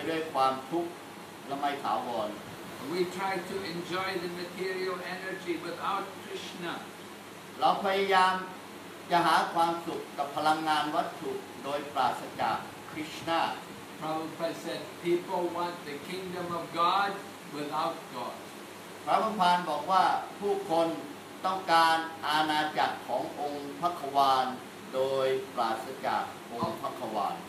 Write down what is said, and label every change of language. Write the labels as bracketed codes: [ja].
[th] แต่ว่าพลังงานวัตถุตรงกันข้ามจะเป็นสิ่งชั่วคราวเต็มไปด้วยความทุกข์และไม่ถาวร [en] We try to enjoy the material energy without Krishna. [th] เราพยายามจะหาความสุขกับพลังงานวัตถุโดยปราศจากคริสต์นา [en] Prabhupada said, people want the kingdom of God without God. [th] Prabhupada บอกว่าผู้คนต้องการอาณาจักรขององค์พระควานโดยปราศจากองค์พระควาน